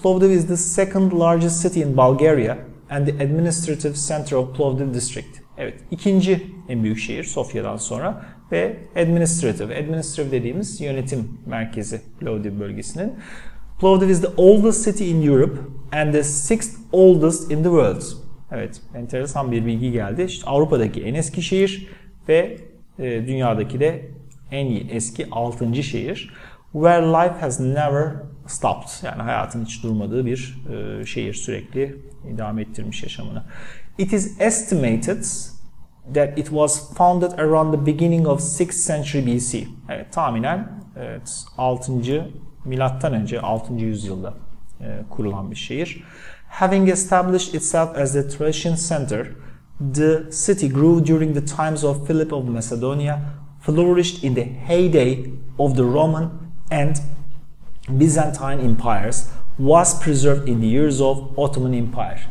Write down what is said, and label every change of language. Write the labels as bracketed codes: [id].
[en] Plovdiv is the second largest city in Bulgaria and the administrative center of Plovdiv district. [tr] Evet, ikinci en büyük şehir Sofya'dan sonra ve administrative dediğimiz yönetim merkezi Plovdiv bölgesinin. [en] Plovdiv is the oldest city in Europe and the sixth oldest in the world. [tr] Evet, enteresan bir bilgi geldi. İşte Avrupa'daki en eski şehir ve dünyadaki de en eski 6. şehir. [en] Where life has never stopped. [tr] Yani hayatın hiç durmadığı bir şehir, sürekli idame ettirmiş yaşamını. [en] It is estimated that it was founded around the beginning of 6th century BC. [tr] Evet, tahminen evet, 6. milattan önce 6. yüzyılda kurulan bir şehir. [en] Having established itself as the Thracian center, the city grew during the times of Philip of Macedonia, flourished in the heyday of the Roman and Byzantine empires, was preserved in the years of Ottoman Empire.